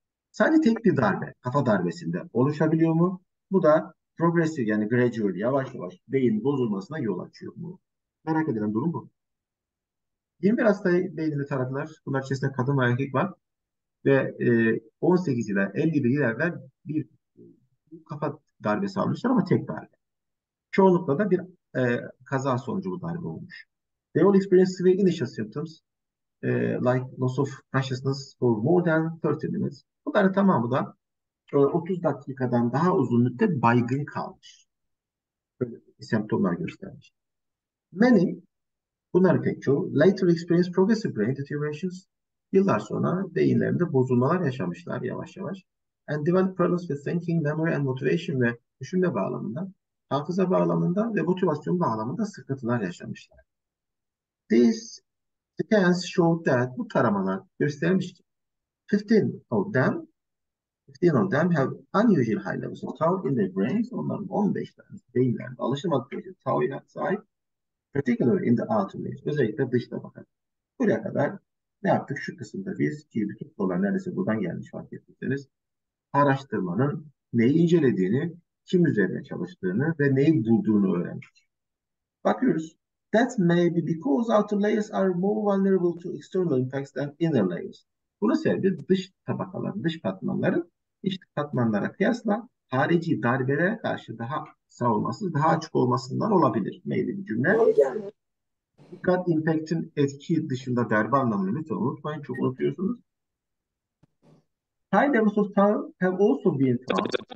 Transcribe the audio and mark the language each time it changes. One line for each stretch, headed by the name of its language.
Turkish: Sadece tek bir darbe, kafa darbesinde oluşabiliyor mu? Bu da progressive yani gradual yavaş yavaş beyin bozulmasına yol açıyor mu? Merak edilen durum bu. 21 hastayı beynini taradılar. Bunlar içerisinde kadın ve erkek var. Ve 18 ile 51 yıl evvel bir kafa darbesi almışlar ama tek darbe. Çoğunlukla da bir kaza sonucu bu darbe olmuş.
English: They all experienced severe initial symptoms like loss of consciousness for more than 30 minutes.
Turkish: Bu da tamamı da 30 dakikadan daha uzun müddet baygın kalmış. Böyle semptomlar göstermiş. Many, bunlar pek çoğu, later experienced progressive brain deteriorations. Yıllar sonra beyinlerinde bozulmalar yaşamışlar yavaş yavaş.
English: and develop problems with thinking, memory and motivation
Turkish: ve düşünme bağlamında, hafıza bağlamında ve motivasyon bağlamında sıkıntılar yaşamışlar.
English: These scans showed that
Turkish: bu taramalar göstermiş ki
English: 15 of them have unusual high levels of tau in their brains.
Turkish: Onların 15 tane beyinlerde alışılmadık derecede tau'ya sahip.
English: Particularly in the outer layers.
Turkish: Özellikle dışta bakalım. Buraya kadar ne yaptık? Şu kısımda biz ki bütün sorular neredeyse buradan gelmiş fark ettiyseniz. Araştırmanın neyi incelediğini, kim üzerine çalıştığını ve neyi bulduğunu öğrendik. Bakıyoruz.
English: That may be because outer layers are more vulnerable to external impacts than inner layers.
Turkish: Bunun sebebi dış tabakaların, dış katmanların iç katmanlara kıyasla harici darbelere karşı daha savunmasız, daha açık olmasından olabilir. Neydi bir cümle? Doğru geldi. Dikkat, impact'in etki dışında darbe anlamını lütfen unutmayın. Çok unutuyorsunuz.
English: High levels of tau have also been found.